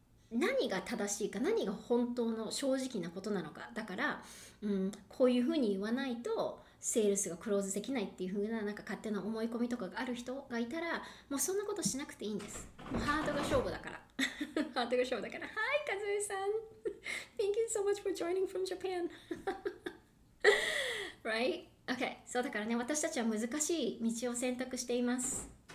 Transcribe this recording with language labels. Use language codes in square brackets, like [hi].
[ja] 何が正しいか、何が本当の正直なことなのか。だから、こういうふうに言わないと、セールスがクローズできないっていうふうな、なんか勝手な思い込みとかがある人がいたら、もうそんなことしなくていいんです。もうハートが勝負だから。ハートが勝負だから。はい、かずえさん。 [en] Thank you so much for joining from Japan. right? [ja] Okay, そうだからね、私たちは難しい道を選択しています。